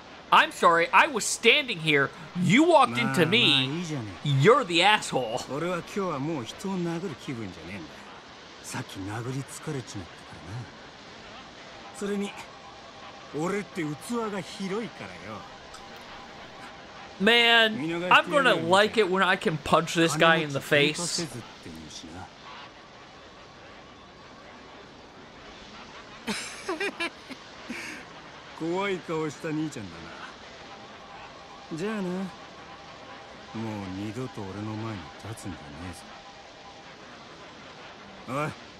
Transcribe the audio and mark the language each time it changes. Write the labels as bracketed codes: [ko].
[en] I'm sorry, I was standing here. You walked into me. You're the asshole. [ja] 俺は今日はもう人を殴る気分じゃねえんだ。さっき殴り疲れちまったからな。それに俺って器が広いからよ。 [en] Man, I'm gonna like it when I can punch this guy in the face. [ja] ははは怖い顔した兄ちゃんだな。じゃあな、もう二度と俺の前に立つんじゃねえぞ。